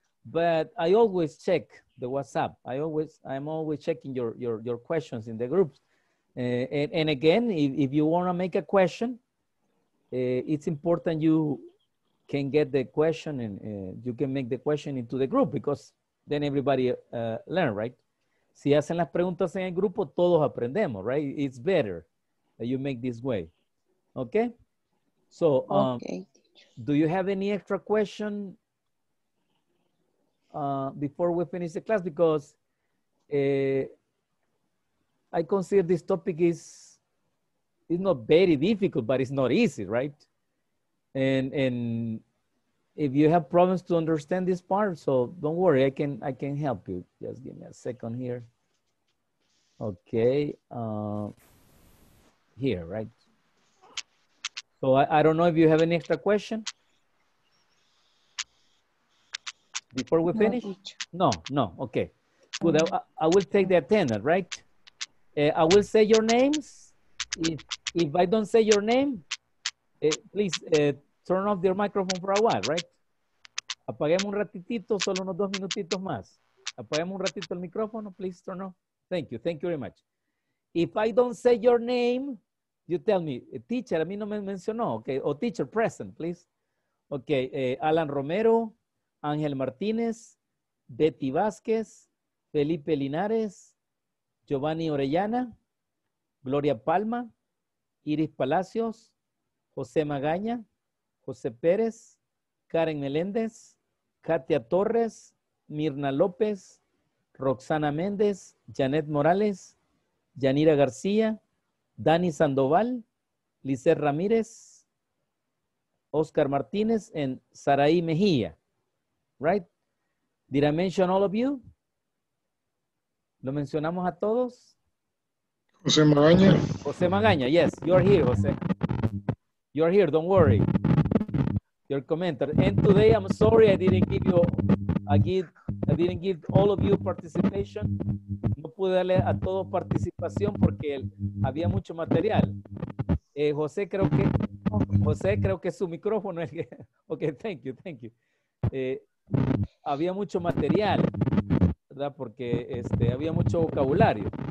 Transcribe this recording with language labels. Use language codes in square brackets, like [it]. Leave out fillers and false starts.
[en] But I always check the WhatsApp. I'm always checking your questions in the groups. And again, if you want to make a question, it's important you can get the question and you can make the question into the group because then everybody learn, right? [es] Si hacen las preguntas en el grupo, todos aprendemos, right? [en] It's better that you make this way. Okay? So, do you have any extra question before we finish the class? Because I consider this topic is not very difficult, but it's not easy, right? And if you have problems to understand this part, so don't worry, I can help you. Just give me a second here. Okay. Here, right? So I don't know if you have any extra question before we finish. No. Okay. Good. I will take the attendant, right? I will say your names. If I don't say your name, please turn off your microphone for a while, right? [es] Apaguemos un ratitito, solo unos dos minutitos más. Apaguemos un ratito el micrófono, [en] please turn off. Thank you. Thank you very much. If I don't say your name, you tell me, teacher, [es] a mí no me mencionó, [en] okay, o teacher, present, please. Okay, Alan Romero, Ángel Martínez, Betty Vázquez, Felipe Linares, Giovanni Orellana, Gloria Palma, Iris Palacios, José Magaña, José Pérez, Karen Meléndez, Katia Torres, Mirna López, Roxana Méndez, Janet Morales, Yanira García, Dani Sandoval, Lizeth Ramírez, Oscar Martínez, and Saraí Mejía, right? Did I mention all of you? [es] ¿Lo mencionamos a todos? [en] José Magaña. José Magaña, yes, you are here, José. You are here, don't worry. Your commenter. And today, I'm sorry I didn't give all of you participation. [es] No pude darle a todos participación porque había mucho material. José creo que su micrófono es. [en] Okay, thank you. [es] Había mucho material, ¿verdad? Porque había mucho vocabulario.